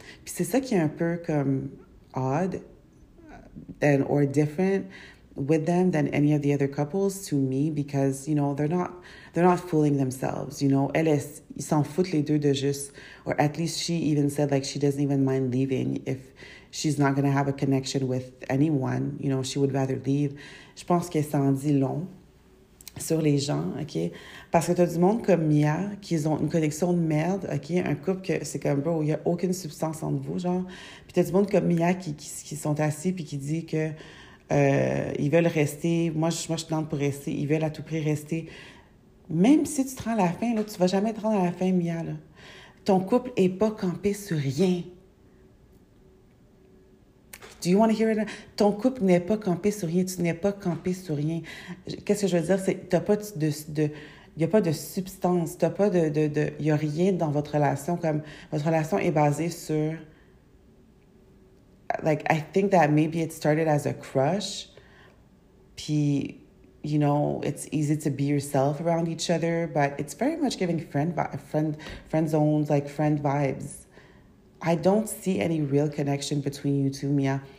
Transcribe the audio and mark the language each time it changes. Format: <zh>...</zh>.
<fr>Puis c'est ça qui est un peu comme</fr> <en>odd and or different with them than any of the other couples to me, because, you know, they're not fooling themselves, you know.</en> <fr>Elle, ils s'en foutent les deux de juste,</fr> <en>or at least she even said, like, she doesn't even mind leaving if she's not going to have a connection with anyone, you know, she would rather leave.</en> <fr>Je pense que ça en dit long sur les gens, OK? Parce que t'as du monde comme Mia, qui ont une connexion de merde, OK? Un couple que c'est comme, bro, il n'y a aucune substance entre vous, genre. Puis t'as du monde comme Mia qui sont assis puis qui dit que ils veulent rester. Moi, je suis dans pour rester. Ils veulent à tout prix rester. Même si tu te rends à la fin, là, tu ne vas jamais te rendre à la fin, Mia, là. Ton couple n'est pas campé sur rien.</fr> <en>Do you want to hear it?</en> <fr>Ton couple n'est pas campé sur rien. Tu n'es pas campé sur rien. Qu'est-ce que je veux dire? C'est t'as pas de y a pas de substance. T'as pas de y a rien dans votre relation. Comme votre relation est basée sur.</fr> <en>Like I think that maybe it started as a crush. Puis, you know, it's easy to be yourself around each other, but it's very much giving friend zones, like friend vibes. I don't see any real connection between you two, Mia.</en>